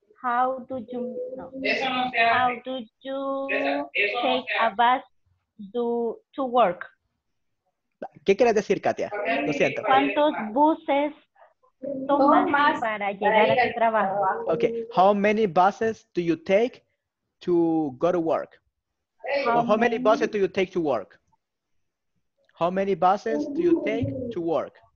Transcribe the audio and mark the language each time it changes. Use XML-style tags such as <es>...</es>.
<en>how do you no, how do you take a bus to work?</en> <es>¿Qué quieres decir, Katia? Lo siento. ¿Cuántos buses tomas para llegar a tu trabajo?</es> <en>Okay. How many buses do you take to go to work? How many buses do you take to work? How many buses do you take to work?</en>